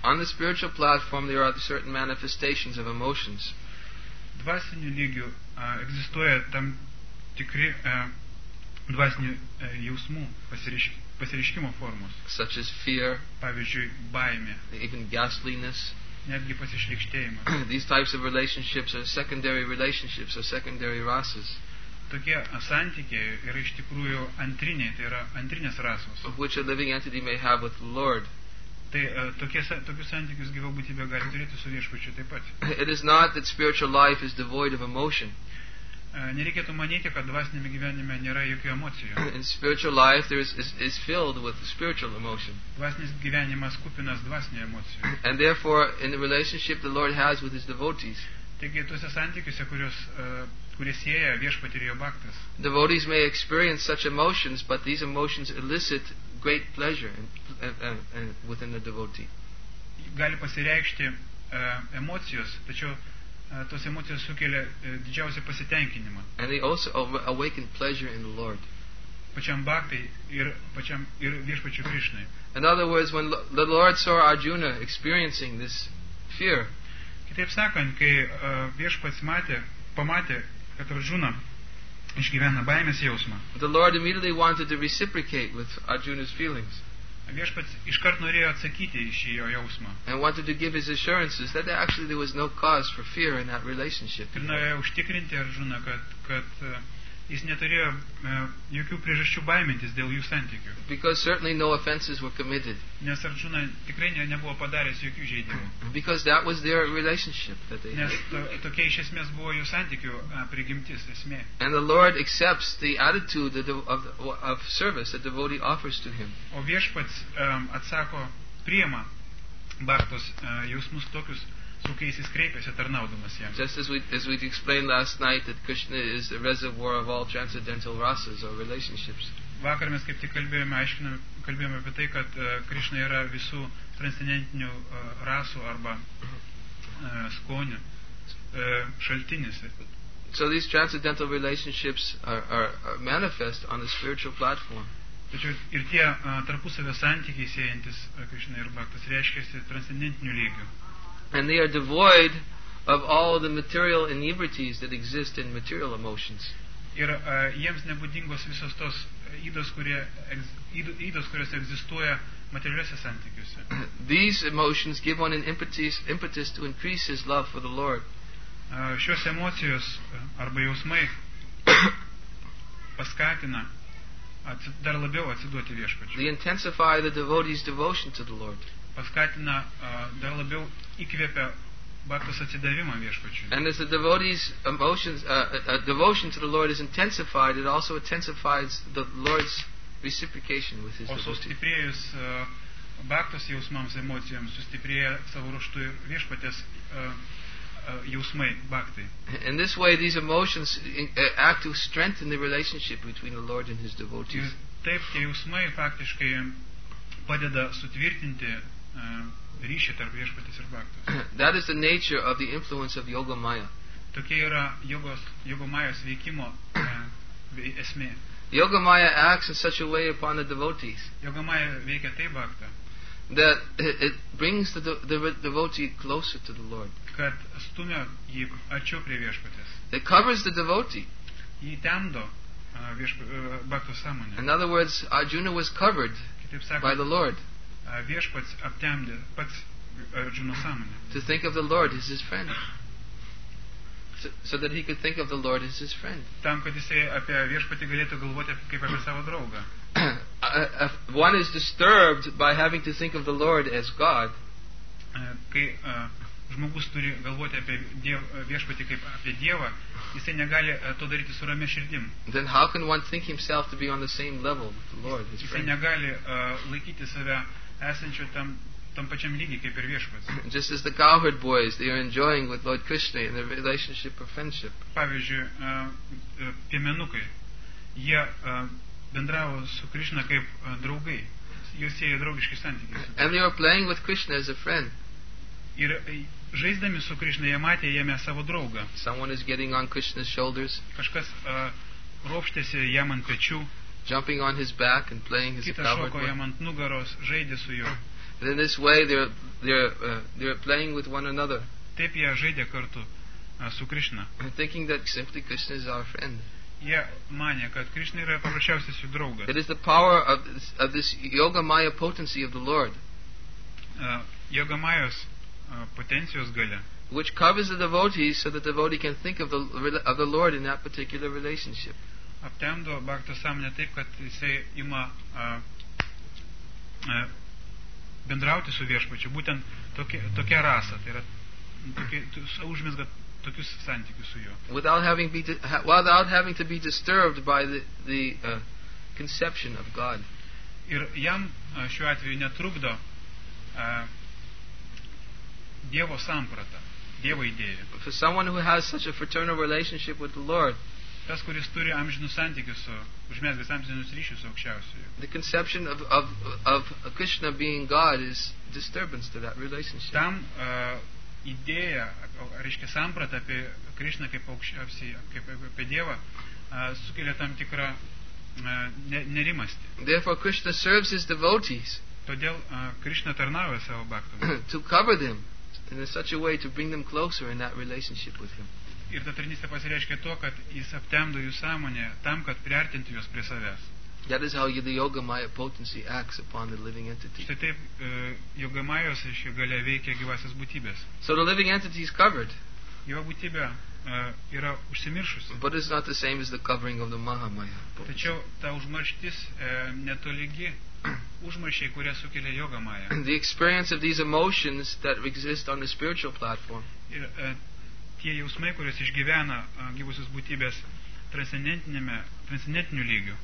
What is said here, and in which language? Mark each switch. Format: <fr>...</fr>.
<en>On the spiritual platform there are certain manifestations of emotions.</en> <lt>Dvasiniu lygiu egzistuoja tam tikri dvasinių jausmų pasireiškimo formos.</lt> <en>Such as fear,</en> <lt>pavyzdžiui, baimė,</lt> <en>even ghastliness,</en> <lt>netgi pasišlykštėjimas.</lt> <en>These types of relationships are secondary relationships or secondary rasas.</en> <lt>Tokie santykiai yra iš tikrųjų antriniai, tai yra antrinės rasos.</lt> <en>Which a living entity may have with the Lord.</en> <lt>Tai tokius santykius gyva būtybė gali turėti su viešpačiu taip pat.</lt> <en>It is not that spiritual life is devoid of emotion.</en> <lt>Nereikėtų manyti, kad dvasiniame gyvenime nėra jokių emocijų.</lt> <en>In spiritual life there is filled with spiritual emotion.</en> <lt>Dvasinis gyvenimas kupinas dvasinių emocijų.</lt> <en>And therefore in the relationship the Lord has with his devotees.</en> <lt>Taigi tuose santykiuose, kurie sieja viešpatį ir jo bhaktas.</lt> <en>Devotees may experience such emotions, but these emotions elicit great pleasure and within the devotee.</en> <lt>Gali pasireikšti emocijos, tačiau tos emocijos sukelia didžiausią pasitenkinimą.</lt> <en>And they also awaken pleasure in the Lord.</en> <lt>Pačiam bhaktai ir pačiam ir viešpačiu Krishnai.</lt> <en>In other words, when the Lord saw Arjuna experiencing this fear.</en> <lt>Kitaip sakant, kai viešpats pamatė, kad Arjuna išgyvena baimės jausmą.</lt> <en>The Lord immediately wanted to reciprocate with Arjuna's feelings.</en> <lt>Viešpats iškart norėjo atsakyti į šį jo jausmą.</lt> <en>And wanted to give his assurances that actually there was no cause for fear in that relationship.</en> <lt>Ir norėjo užtikrinti Arjuna, kad jis neturėjo jokių priežasčių baimintis dėl jų santykių.</lt> <en>Because certainly no offenses were committed.</en> <lt>Nes Arjuna tikrai nebuvo padaręs jokių žeidimų.</lt> <en>Because that was their relationship that they had.</en> <lt>Nes tokia iš esmės buvo jų santykių prigimtis, esmė.</lt> <en>And the Lord accepts the attitude of service that the devotee offers to him.</en> <lt>O viešpats atsako, priema bhaktos jausmus tokius, su kai jis kreipiasi tarnaudamas jam.</lt> <en>Just as we explained last night that Krishna is the reservoir of all transcendental rasas or relationships.</en> <lt>Vakar mes kaip tik kalbėjome apie tai, kad Krishna yra visų transcendentinių rasų arba skonių šaltinis.</lt> <en>So these transcendental relationships are manifest on the spiritual platform.</en> <lt>Tačiau ir tie tarpusavio santykiai siejantis Krishna ir Bhaktas reiškiasi transcendentiniu lygiu.</lt> <en>And they are devoid of all the material inebrieties that exist in material emotions.</en> <lt>Ir jiems nebūdingos visos tos ydos, kurios egzistuoja materialiuose santykiuose.</lt> <en>These emotions give one an impetus to increase his love for the Lord.</en> <lt>Šios emocijos arba jausmai paskatina dar labiau atsiduoti viešpačiui.</lt> <en>They intensify the devotee's devotion to the Lord.</en> <lt>Paskatina dar labiau įkvėpia bhaktos atsidavimą viešpačiui.</lt> <en>And as the devotee's devotion to the Lord is intensified, it also intensifies the Lord's reciprocation with his devotee.</en> <lt>O sustiprėjus bhaktos jausmams, emocijoms, sustiprėja savo ruoštų viešpatės jausmai bhaktai.</lt> <en>In this way, these emotions act to strengthen the relationship between the Lord and his devotees.</en> <lt>Taip, tie jausmai faktiškai padeda sutvirtinti ryšį tarp viešpatės ir bhaktos.</lt> <en>That is the nature of the influence of yoga maya.</en> <lt>Tokia yra yoga majos veikimo esmė.</lt> <en>Yoga maya acts in such a way upon the devotees.</en> <lt>Yoga maya veikia taip bhaktą.</lt> <en>That it brings the devotee closer to the Lord.</en> <lt>Kad stumia jį arčiau prie viešpatės.</lt> <en>It covers the devotee.</en> <lt>Jį temdo bhakto sąmonę.</lt> <en>In other words, Arjuna was covered by the Lord.</en> <lt>Viešpats aptemdė pats Arjuna sąmonę.</lt> <en>To think of the Lord as his friend. So that he could think of the Lord as his friend.</en> <lt>Tam, kad jisai apie viešpatį galėtų galvoti kaip apie savo draugą.</lt> <en>One is disturbed by having to think of the Lord as God.</en> <lt>Kai žmogus turi galvoti apie viešpatį kaip apie Dievą, jisai negali to daryti su ramia širdim.</lt> <en>Then how can one think himself to be on the same level with the Lord, his friend?</en> <lt>Jisai negali laikyti save esančiu tam pačiam lygiai kaip ir viešpats.</lt> <en>Just as the cowherd boys, they are enjoying with Lord Krishna in their relationship of friendship.</en> <lt>Pavyzdžiui, piemenukai, jie bendravo su Krishna kaip draugai. Jie siejo draugiški santykiai.</lt> <en>And they are playing with Krishna as a friend.</en> <lt>Ir žaisdami su Krishna, jie matė jame savo draugą.</lt> <en>Someone is getting on Krishna's shoulders.</en> <lt>Kažkas ropštėsi jam ant pečių.</lt> <en>Jumping on his back and playing as a cowherd.</en> <lt>Kitas šoko jam ant nugaros, žaidė su juo.</lt> <en>And in this way they're playing with one another.</en> <lt>Taip jie žaidė kartu su Krishna.</lt> <en>Thinking that simply Krishna is our friend.</en> <lt>Jie manė, kad Krishna yra paprasčiausias jų draugas.</lt> <en>It is the power of this yoga maya potency of the Lord.</en> <lt>Yoga mayos potencijos galia.</lt> <en>Which covers the devotee so that the devotee can think of the Lord in that particular relationship.</en> <lt>Aptemdo bhakto sąmonę taip, kad jisai ima bendrauti su viešpačiu, būtent tokia rasa, tai yra užmizga tokius santykius su juo.</lt> <en>Without having to be disturbed by the conception of God.</en> <lt>Ir jam šiuo atveju netrukdo Dievo samprata, Dievo idėja.</lt> <en>For someone who has such a fraternal relationship with the Lord,</en> <lt>tas, kuris turi amžinus santykius su užmezgęs amžinus ryšius su aukščiausiuoju.</lt> <en>The conception of Krishna being God is disturbance to that relationship.</en> <lt>Tam idėja, reiškia samprata apie Krishna kaip aukščiausiai, kaip apie Dievą, sukelia tam tikrą nerimastį.</lt> <en>Therefore Krishna serves his devotees.</en> <lt>Todėl Krishna tarnauja savo bhaktams.</lt> <en>To cover them in such a way to bring them closer in that relationship with him.</en> <lt>Ir ta tarnystė pasireiškia to, kad jis aptemdo jų sąmonę tam, kad priartintų juos prie savęs.</lt> <en>That is how the yoga maya potency acts upon the living entity.</en> <lt>Štai taip yoga majos iš jų galia veikia gyvasis būtybės.</lt> <en>So the living entity is covered.</en> <lt>Jo būtybė yra užsimiršusi.</lt> <en>But it's not the same as the covering of the mahamaya.</en> <lt>Tačiau ta užmarštis netolygi užmaršiai, kurią sukelia yoga maya.</lt> <en>The experience of these emotions that exist on the spiritual platform.</en> <lt>Ir tie jausmai, kurios išgyvena gyvusios būtybės transcendentiniu lygiu.</lt>